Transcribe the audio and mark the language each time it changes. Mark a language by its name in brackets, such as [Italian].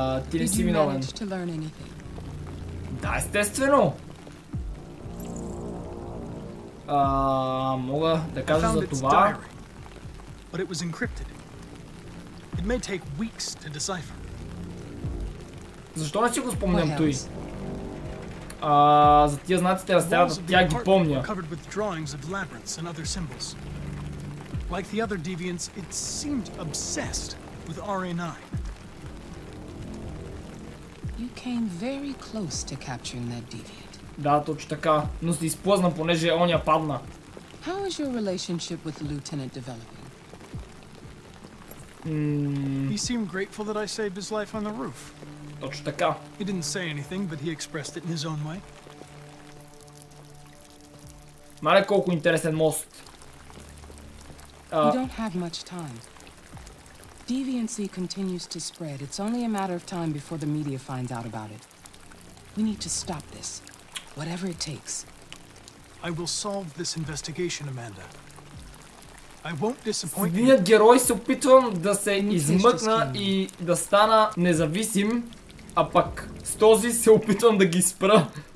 [Bulgarian] Ти не си виновен. Да, естествено! Мога да кажа за това. [English] But it was encrypted. It may take weeks to decipher. [Bulgarian] Защо не си го спомням той? За тия знаците разстават, тя ги помня. [English] Covered with drawings of labyrinths and other symbols. Like the other deviants, it seemed obsessed with RA9. You came very close to capturing that deviant. [Bulgarian] Да, точно така, но се изплъзна, понеже оня падна. [English] How is your relationship with Lieutenant developing? He seemed grateful that I saved his life on the roof. [Bulgarian] Точно така. [English] He didn't say anything, but he expressed it in his own way. [Bulgarian] Мале, колко интересен мост. [English] You don't have much time. Deviancy continues to spread. It's only a matter of time before the media finds out about it. We need to stop this. Whatever it takes. I will solve this investigation, Amanda. I won't disappoint [Bulgarian] Единият герой се опитвам да се измъкна и да стана независим, а пък с този се опитвам да ги спра.